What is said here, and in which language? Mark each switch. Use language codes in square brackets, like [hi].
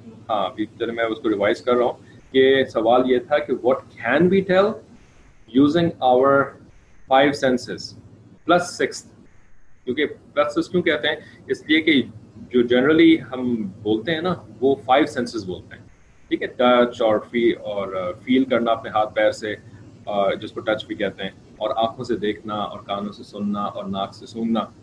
[hi] हाँ, अभी मैं उसको रिवाइज कर रहा हूँ कि सवाल ये था कि [en] What can we tell using our five senses plus sixth. [hi] क्योंकि plus sixth क्यों कहते हैं? इसलिए कि जो generally हम बोलते हैं ना, वो five senses बोलते हैं. ठीक है, touch और feel और feel करना अपने हाथ पैर से, जिसको touch भी कहते हैं, और आँखों से देखना और कानों से सुनना और नाक से सूंघना.